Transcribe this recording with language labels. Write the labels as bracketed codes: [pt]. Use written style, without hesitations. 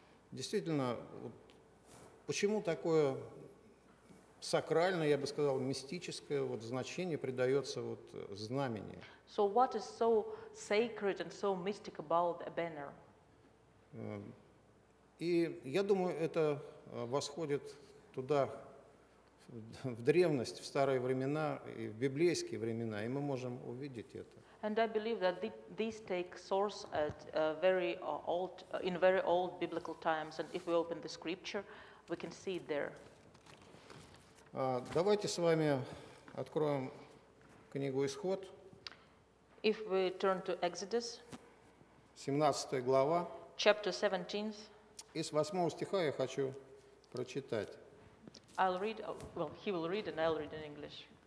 [ru] Действительно, вот почему такое сакральное, я бы сказал, мистическое вот значение придается вот знамени? [en] So what is so sacred and so mystic about a banner? [ru] И я думаю, это восходит туда, в древность, в старые времена и в библейские времена, и мы можем увидеть это. [en] And I believe that these take source at very old, in very old biblical times, and if we open the scripture, we can see it there. [ru] Давайте с вами откроем книгу Исход. [en] If we turn to Exodus. [ru] 17 глава. [en] Chapter 17. [ru] Из 8 стиха я хочу прочитать. [en] I'll read, well, he will read, and I'll read in English.